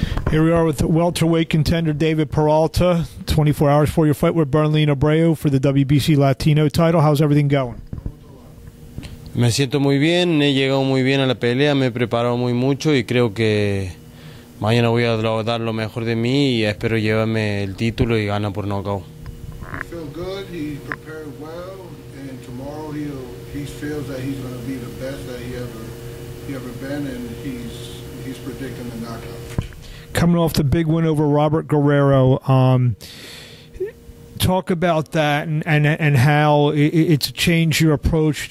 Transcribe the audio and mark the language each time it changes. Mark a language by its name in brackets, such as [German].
[English] Here we are with welterweight contender David Peralta, 24 hours before your fight with Berlin Abreu for the WBC Latino title. How's everything going? [Spanish] Me siento muy bien, he llegado muy bien a la pelea, me he preparado muy mucho y creo que mañana voy a dar lo mejor de mí y espero llevarme el título y ganar por nocaut. [English] Feel good, he prepared well, and tomorrow he feels that he's going to be the best that he ever been, and he's predicting the knockout. Coming off the big win over Robert Guerrero, talk about that and how it's changed your approach.